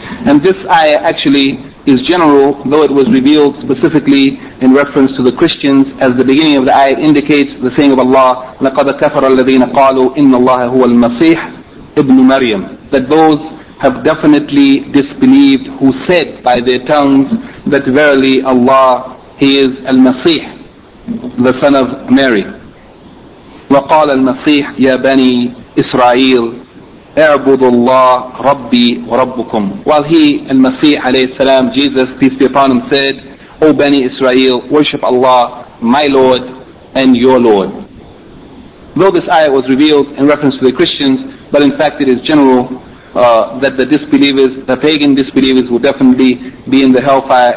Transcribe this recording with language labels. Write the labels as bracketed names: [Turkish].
[English] And this ayah actually is general, though it was revealed specifically in reference to the Christians, as the beginning of the ayah indicates the saying of Allah, [Arabic] لَقَدَ كَفَرَ الَّذِينَ قَالُوا إِنَّ اللَّهَ هُوَ الْمَسِيحِ ابْنُ مَرْيَمْ, [English] that those have definitely disbelieved who said by their tongues that verily Allah, He is Al-Masih, the son of Mary. [Arabic] وقال المسيح يا بني إسرائيل اعبدوا الله ربي وربكم. [English] While he, [Arabic] المسيح عليه السلام, [English] Jesus, peace be upon him, said, O Bani Israel, worship Allah, my Lord and your Lord. Though this ayah was revealed in reference to the Christians, but in fact it is general that the disbelievers, the pagan disbelievers, will definitely be in the hellfire.